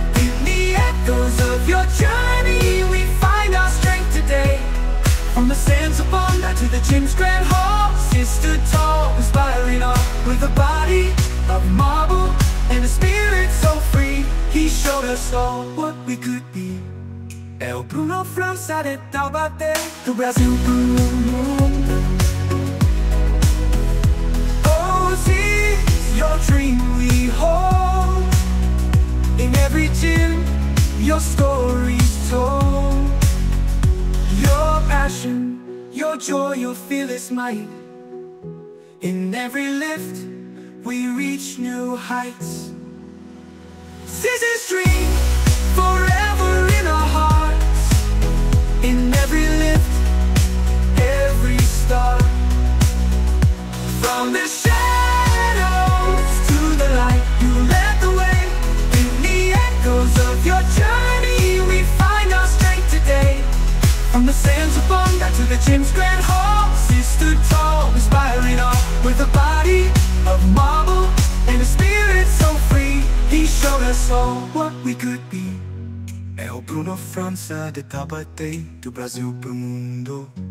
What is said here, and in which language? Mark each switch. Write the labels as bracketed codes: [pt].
[en] In the echoes of your journey, we find our strength today. From the sands of Bondi to the gym's grand hall, sister tall, inspiring all. With a body of marble and a spirit so free, he showed us all what we could be. [pt] É o Bruno França de Taubaté do Brasil pro mundo. [en] Oh, is your dream we hold? In every gym, your story's told. Your passion, your joy, your fearless might. In every lift, we reach new heights. This is dream, forever in our hearts. In every lift, every star. From the shadows to the light, you led the way. In the echoes of your journey, we find our strength today. From the sands of Bondi to the gym's grand hall, sister tall, inspiring all. With a body of marble and a spirit so free, he showed us all what we could be. [pt] É o Bruno França de Taubaté do Brasil pro mundo.